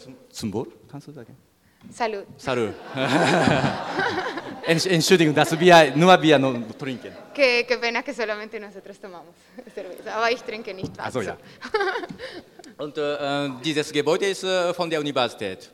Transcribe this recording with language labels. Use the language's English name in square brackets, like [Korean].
[German] Zum Wohl, kannst du sagen? [Spanish] Salud. Salud. [German] Entschuldigung, dass wir nur Bier trinken. [Spanish] Qué pena que solamente nosotros tomamos cerveza. [German] Aber ich trinke nicht Wasser. Also, ja. Und dieses Gebäude ist von der Universität.